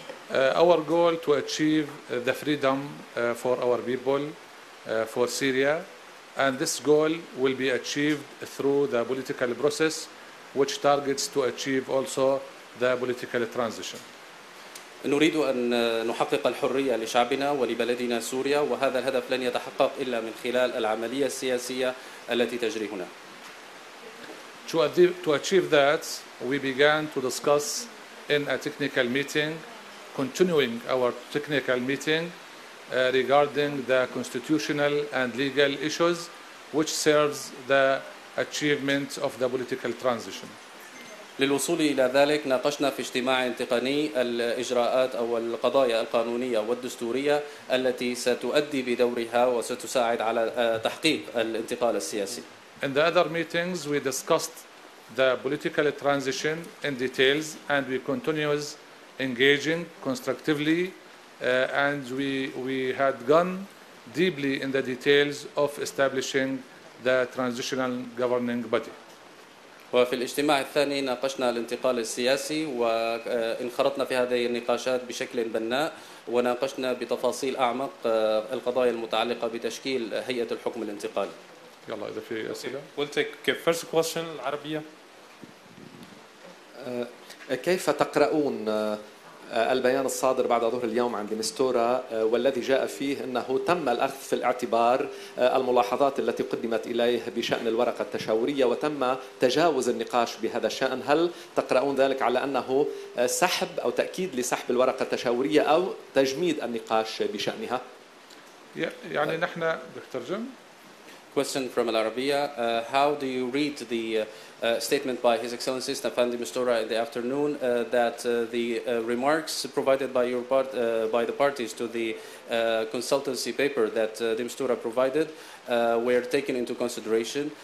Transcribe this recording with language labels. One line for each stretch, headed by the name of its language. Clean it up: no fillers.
English: Our goal to achieve the freedom for our people for Syria, and this goal will be achieved through the political process, which targets to achieve also the political transition.
Arabic: نريد أن نحقق الحرية لشعبنا ولبلدنا سوريا، وهذا الهدف لن يتحقق إلا من خلال العملية السياسية التي تجري هنا.
English: To achieve that, we began to discuss in a technical meeting, continuing our technical meeting regarding the constitutional and legal issues which serves the achievement of the political transition.
Arabic: للوصول إلى ذلك ناقشنا في اجتماع تقني الإجراءات أو القضايا القانونية والدستورية التي ستؤدي بدورها وستساعد على تحقيق الانتقال السياسي.
English: In the other meetings we discussed the political transition in details and we continued engaging constructively and we had gone deeply in the details of establishing the transitional governing body.
Arabic: وفي الاجتماع الثاني ناقشنا الانتقال السياسي وانخرطنا في هذه النقاشات بشكل بناء وناقشنا بتفاصيل أعمق القضايا المتعلقة بتشكيل هيئة الحكم الانتقالي. يلا إذا في أسئلة.
English: We'll take the first question العربية.
Arabic: كيف تقرؤون البيان الصادر بعد ظهر اليوم عن ديمستورا والذي جاء فيه أنه تم الأخذ في الاعتبار الملاحظات التي قدمت إليه بشأن الورقة التشاورية وتم تجاوز النقاش بهذا الشأن؟ هل تقرؤون ذلك على أنه سحب أو تأكيد لسحب الورقة التشاورية أو تجميد النقاش بشأنها؟ يعني نحن بترجم.
English: Question from Al-Arabiya. How do you read the statement by His Excellency Staffan de Mistura in the afternoon that the remarks provided by your part by the parties to the consultancy paper that de Mistura provided were taken into consideration?